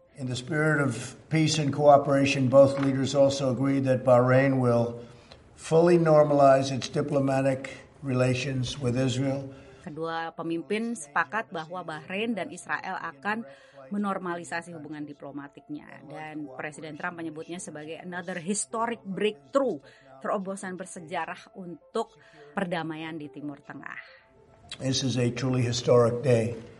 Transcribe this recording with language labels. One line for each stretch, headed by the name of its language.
English: In the spirit of peace and cooperation, both leaders also agreed that Bahrain will fully normalize its diplomatic relations with Israel.
Indonesian: Kedua pemimpin sepakat bahwa Bahrain dan Israel akan menormalisasi hubungan diplomatiknya, dan Presiden Trump menyebutnya sebagai
English: another historic breakthrough,
Indonesian: terobosan bersejarah untuk perdamaian di Timur Tengah.
English: This is a truly historic day.